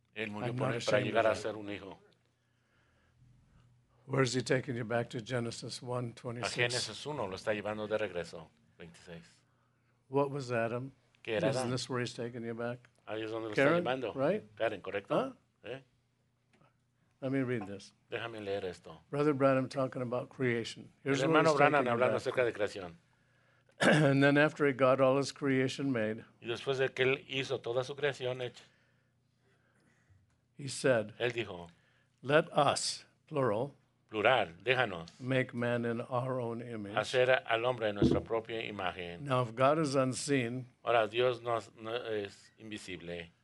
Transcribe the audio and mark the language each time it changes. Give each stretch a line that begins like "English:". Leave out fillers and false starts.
Spanish: Él murió por mí para llegar a ser un hijo.
English: Where is he taking you back to Genesis 1, 26?
Spanish: A Génesis 1 lo está llevando de regreso. 26.
English: What was Adam?
Spanish: ¿Qué era
English: Adam? Isn't this where he's taking you back?
Spanish: Ahí es donde lo está llamando.
English: Right?
Spanish: Karen, ¿correcto?
English: Huh? Let me read this.
Spanish: Déjame leer esto.
English: Brother Branham talking about creation. Here's
Spanish: el hermano Branham hablando
English: about.
Spanish: Acerca de creación.
English: And then after he got all his creation made,
Spanish: y después de que él hizo toda su creación hecha,
English: he said,
Spanish: él dijo,
English: let us, plural,
Spanish: plural, déjanos,
English: make man in our own image.
Spanish: Hacer al hombre en nuestra propia imagen.
English: Now if God is unseen,
Spanish: ahora Dios no es invisible,